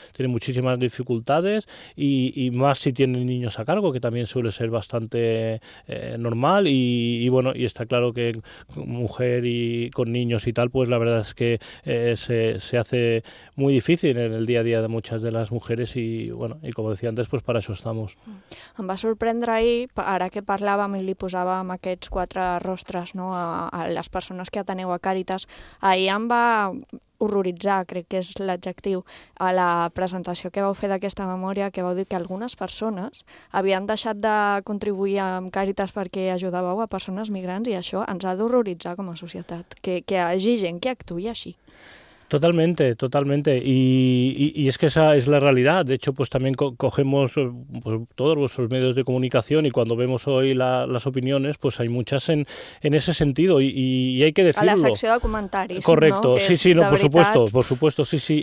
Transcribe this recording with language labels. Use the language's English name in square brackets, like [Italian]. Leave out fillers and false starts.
[Spanish] Tienen muchísimas dificultades y más si tienen niños a cargo, que también suele ser bastante normal. Y bueno, y está claro que mujer y con niños y tal, pues la verdad es que se hace muy difícil en el día a día de muchas de las mujeres. Y bueno, y como decía antes, pues para eso estamos. [Catalan] Em va sorprendre ahir, ara que parlàvem i li posàvem aquests quatre rostres, no, a les persones que ateneu a Càritas, ahir em va horroritzar, crec que és l'adjectiu, a la presentació que vau fer d'aquesta memòria, que vau dir que algunes persones havien deixat de contribuir amb Càritas perquè ajudàveu a persones migrants, i això ens ha d'horroritzar com a societat, que hi hagi gent que actuï així. [Spanish] Totalmente, totalmente. Y es que esa es la realidad. De hecho, pues también cogemos pues, todos vuestros medios de comunicación y cuando vemos hoy las opiniones, pues hay muchas en ese sentido. Y hay que decirlo. A la sección de comentarios. Correcto. ¿No? Sí, sí, no, por veritat. Supuesto, por supuesto. Sí, sí.